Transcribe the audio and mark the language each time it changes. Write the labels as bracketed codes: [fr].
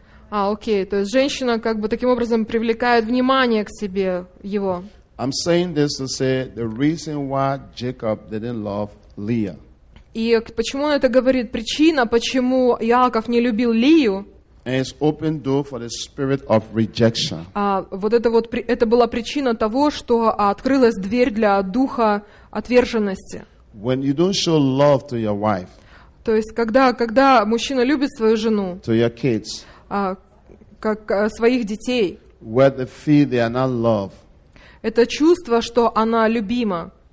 [ru] Окей. То есть женщина как бы таким образом привлекает внимание к себе его. [en] I'm saying this to say the reason why Jacob didn't love Leah. [ru] И почему он это говорит? Причина, почему Яаков не любил Лию. Вот это вот это была причина того, что открылась дверь для духа отверженности. [en] When you don't show love to your wife, [ru] то есть когда мужчина любит свою жену, [en] to your kids, [ru] как своих детей, [en] where they feel they are not loved, [ru] это чувство, что она любима.